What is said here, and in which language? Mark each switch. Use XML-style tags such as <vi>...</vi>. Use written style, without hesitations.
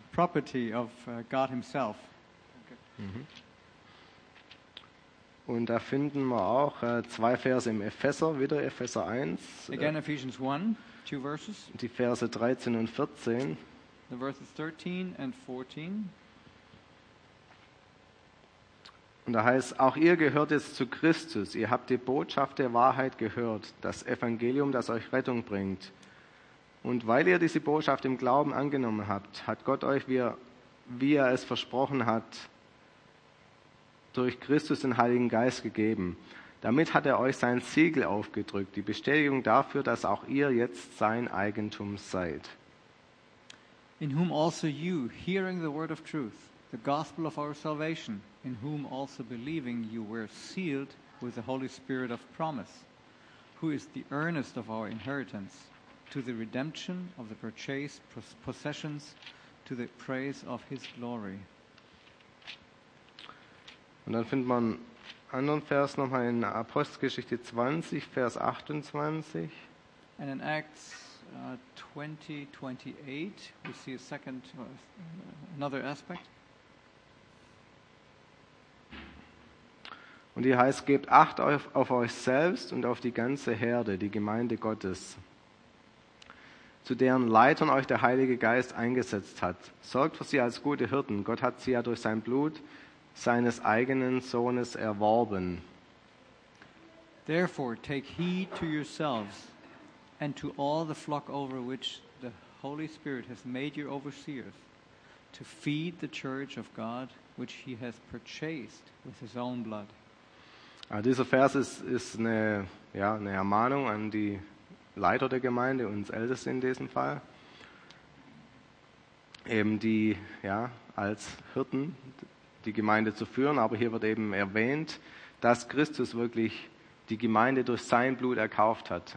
<en>Property of God himself. Okay.</en> <de>Und da finden wir auch zwei Verse im Epheser, wieder Epheser 1.</de> <en>Again Ephesians 1, two verses.</en> <de>Die Verse 13 und 14.</de> <en>The verses 13 and 14.</en> <de>Und da heißt, auch ihr gehört jetzt zu Christus. Ihr habt die Botschaft der Wahrheit gehört, das Evangelium, das euch Rettung bringt. Und weil ihr diese Botschaft im Glauben angenommen habt, hat Gott euch, wie er es versprochen hat, durch Christus den Heiligen Geist gegeben. Damit hat er euch sein Siegel aufgedrückt, die Bestätigung dafür, dass auch ihr jetzt sein Eigentum seid.</de> <en>In whom also you, hearing the word of truth, the gospel of our salvation, in whom also believing you were sealed with the Holy Spirit of promise, who is the earnest of our inheritance, to the redemption of the purchased possessions, to the praise of his glory.</en> <de>Und dann findet man einen anderen Vers nochmal in Apostelgeschichte 20, Vers 28.</de> <en>And in Acts 20, 28, we see a second, another aspect.</en> <de>Und hier heißt, gebt Acht auf euch selbst und auf die ganze Herde, die Gemeinde Gottes, zu deren Leitern euch der Heilige Geist eingesetzt hat. Sorgt für sie als gute Hirten. Gott hat sie ja durch sein Blut seines eigenen Sohnes erworben.</de> <en>Therefore take heed to yourselves and to all the flock over which the Holy Spirit has made you overseers, to feed the church of God which he has purchased with his own blood.</en> <de>Also dieser Vers ist eine Ermahnung an die Leiter der Gemeinde, uns Älteste in diesem Fall, eben die als Hirten die Gemeinde zu führen. Aber hier wird eben erwähnt, dass Christus wirklich die Gemeinde durch sein Blut erkauft hat.</de>